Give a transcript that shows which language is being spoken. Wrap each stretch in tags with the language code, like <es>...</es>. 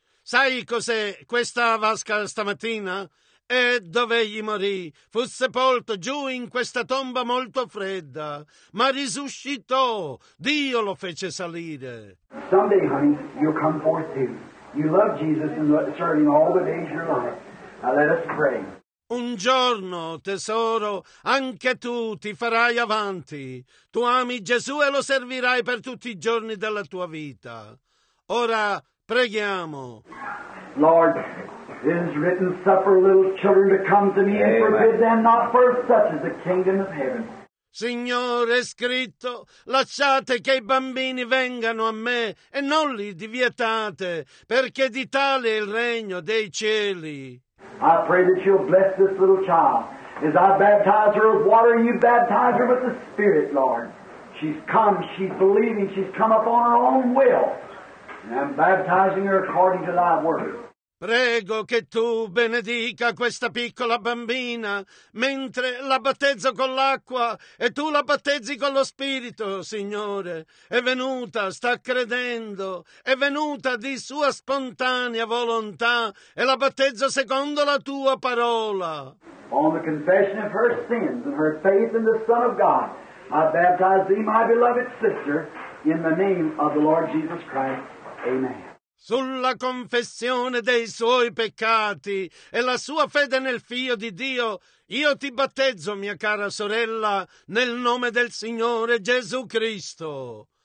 <it>Sai cos'è questa vasca stamattina? E dove egli morì, fu sepolto giù in questa tomba molto fredda, ma risuscitò, Dio lo fece salire.</it> <en>Someday, honey, you'll come forth too. You love Jesus and serve him all the days of your life. Now let us pray.</en> <it>Un giorno, tesoro, anche tu ti farai avanti. Tu ami Gesù e lo servirai per tutti i giorni della tua vita. Ora preghiamo.</it> <en>Lord, it is written, suffer little children to come to me and forbid them not, for such is the kingdom of heaven.</en> <it>Signore, è scritto, lasciate che i bambini vengano a me e non li divietate, perché di tale è il regno dei cieli.</it> <en>I pray that you'll bless this little child. As I baptize her with water, you baptize her with the Spirit, Lord. She's come, she's believing, she's come upon her own will. And I'm baptizing her according to thy word.</en> <it>Prego che tu benedica questa piccola bambina mentre la battezzo con l'acqua e tu la battezzi con lo Spirito, Signore. È venuta, sta credendo, è venuta di sua spontanea volontà e la battezzo secondo la tua parola.</it> <en>on the confession of her sins and her faith in the Son of God, I baptize thee, my beloved sister, in the name of the Lord Jesus Christ. Amen.</en> <it>Sulla confessione dei suoi peccati e la sua fede nel Figlio di Dio, io ti battezzo, mia cara sorella, nel nome del Signore Gesù Cristo.</it>